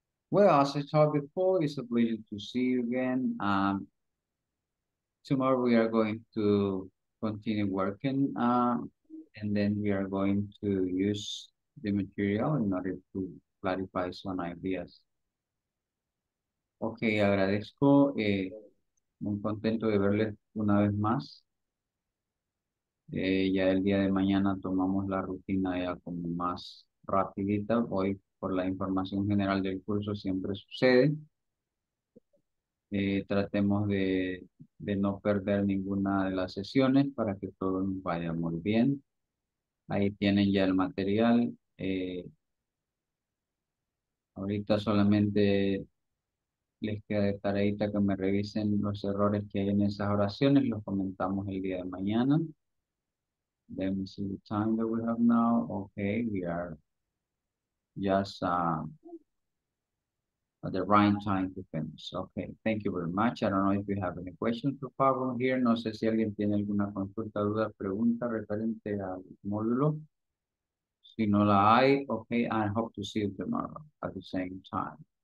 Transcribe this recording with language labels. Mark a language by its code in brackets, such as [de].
[en] Well, as I talked before, it's a pleasure to see you again. Tomorrow we are going to continue working, and then we are going to use the material in order to clarify some ideas. [es] Okay, agradezco, muy contento de verles una vez más. Ya el día de mañana tomamos la rutina ya como más rapidita. Hoy, por la información general del curso, siempre sucede. Tratemos de no perder ninguna de las sesiones para que todo nos vaya muy bien. Ahí tienen ya el material. Ahorita solamente les queda de tareita que me revisen los errores que hay en esas oraciones. Los comentamos el día de mañana. [en] Let me see the time that we have now. Okay, we are just at the right time to finish. Okay, thank you very much. I don't know if you have any questions for Pablo here. [es] No sé si alguien tiene alguna consulta, duda, pregunta referente al módulo. Si no la hay, [en] okay, I hope to see you tomorrow at the same time.